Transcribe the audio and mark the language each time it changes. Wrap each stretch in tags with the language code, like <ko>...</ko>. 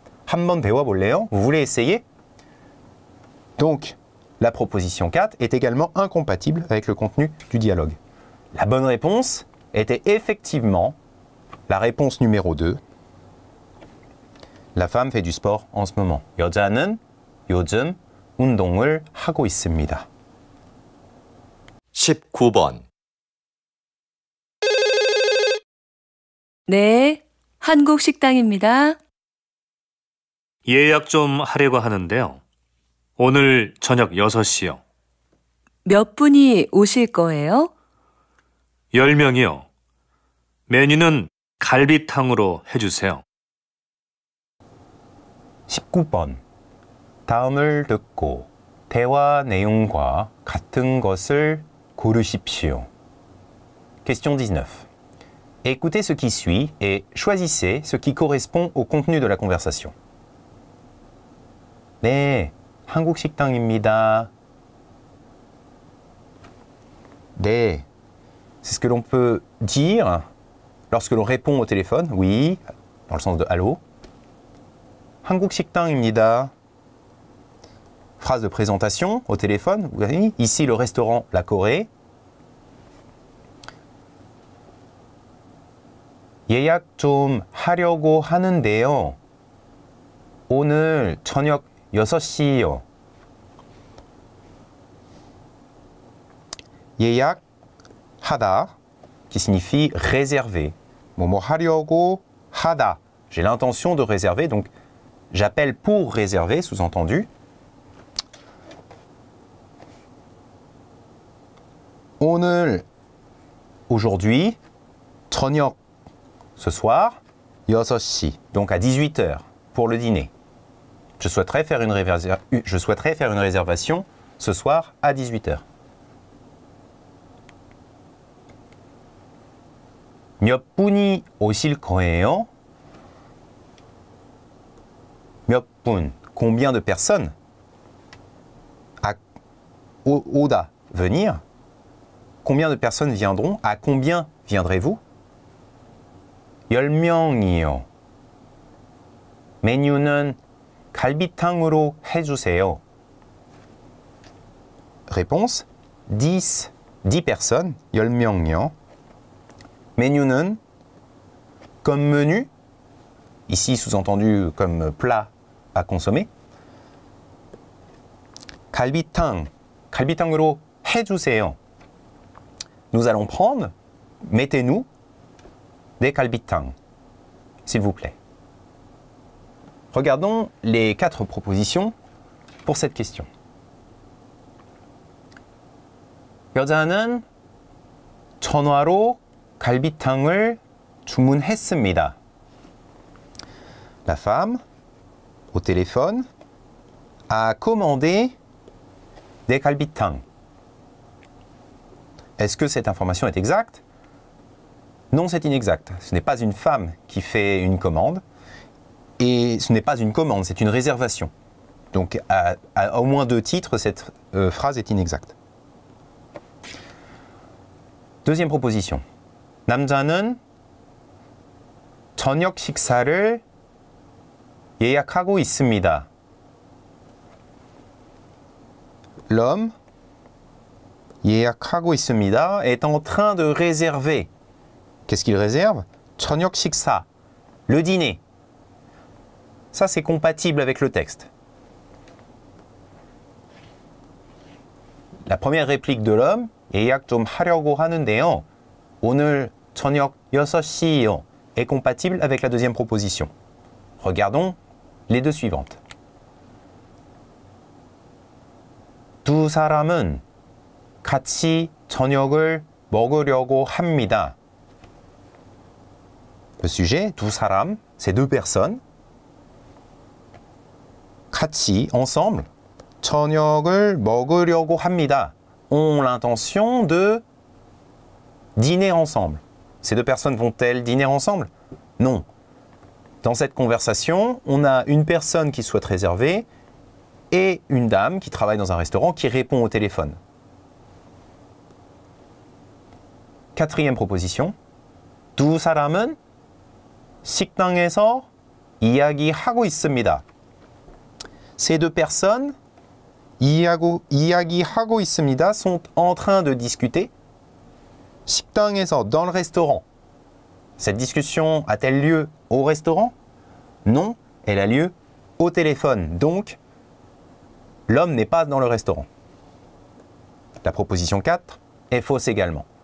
<ko>한번 배워볼래요?</ko> <fr>Vous voulez essayer? Donc, la proposition 4 est également incompatible avec le contenu du dialogue. La bonne réponse était effectivement la réponse numéro 2. La femme fait du sport en ce moment.</fr> <ko>여자는 요즘 운동을 하고 있습니다. 19번. 네, 한국 식당입니다. 예약 좀 하려고 하는데요. 오늘 저녁 6시요. 몇 분이 오실 거예요? 10명이요. 메뉴는 갈비탕으로 해주세요. 19번. 다음을 듣고 대화 내용과 같은 것을 고르십시오.</ko> <fr>Question 19. Écoutez ce qui suit et choisissez ce qui correspond au contenu de la conversation.</fr> <ko>네, 한국 식당입니다. 네.</ko> <fr>C'est ce que l'on peut dire lorsque l'on répond au téléphone. Oui, dans le sens de allô.</fr> <ko>한국 식당입니다.</ko> <fr>Phrase de présentation au téléphone. Oui, ici le restaurant La Corée.</fr> <ko>예약 좀 하려고 하는데요. 오늘 저녁 6시요. 예약 하다,</ko> <fr>qui signifie réserver.</fr> <ko>뭐뭐 하려고 하다.</ko> <fr>J'ai l'intention de réserver, donc j'appelle pour réserver, sous-entendu.</fr> <ko>오늘, aujourd'hui, 저녁.</ko> <fr>Ce soir, 6시, donc à 18h, pour le dîner. Je souhaiterais faire une réservation ce soir à 18h.</fr> <ko>몇 분이 오실 거예요?</ko> <fr>몇 분, combien de personnes? 오다, venir. Combien de personnes viendront? À combien viendrez-vous?</fr> <ko>10명이요. 메뉴는 갈비탕으로 해주세요.</ko> <fr>Réponse. 10 personnes.</fr> <ko>10명이요.</ko> <fr>메뉴는 comme menu. Ici sous-entendu comme plat à consommer.</fr> <ko>갈비탕. 갈비탕으로 해주세요.</ko> <fr>Nous allons prendre. Mettez-nous des 갈비탕. S'il vous plaît. Regardons les quatre propositions pour cette question.</fr> <ko>여자는 전화로 갈비탕을 주문했습니다.</ko> <fr>La femme, au téléphone, a commandé des 갈비탕. Est-ce que cette information est exacte? Non, c'est inexact. Ce n'est pas une femme qui fait une commande. Et ce n'est pas une commande, c'est une réservation. Donc, à au moins deux titres, cette phrase est inexacte. Deuxième proposition.</fr> <ko>남자는 저녁 식사를 예약하고 있습니다.</ko> <fr>L'homme</fr> <ko>예약하고 있습니다</ko> <fr>est en train de réserver. Qu'est-ce qu'il réserve? 저녁 식사, le dîner. Ça, c'est compatible avec le texte. La première réplique de l'homme,</fr> <ko>예약 좀 하려고 하는데요. 오늘 저녁 6시요</ko> <fr>est compatible avec la deuxième proposition. Regardons les deux suivantes.</fr> <ko>두 사람은 같이 저녁을 먹으려고 합니다.</ko> <fr>Le sujet, 두 사람, c'est deux personnes.</fr> <ko>같이, ensemble, 저녁을 먹으려고 합니다.</ko> <fr>Ont l'intention de dîner ensemble. Ces deux personnes vont-elles dîner ensemble? Non. Dans cette conversation, on a une personne qui souhaite réserver et une dame qui travaille dans un restaurant qui répond au téléphone. Quatrième proposition.</fr> <ko>두 사람은 식당에서 이야기하고 있습니다.</ko> <fr>Ces deux personnes</fr> <ko>이야기하고 있습니다</ko> <fr>sont en train de discuter. 식당에서 dans le restaurant. Cette discussion a-t-elle lieu au restaurant? Non, elle a lieu au téléphone. Donc, l'homme n'est pas dans le restaurant. La proposition 4 est fausse également.</fr>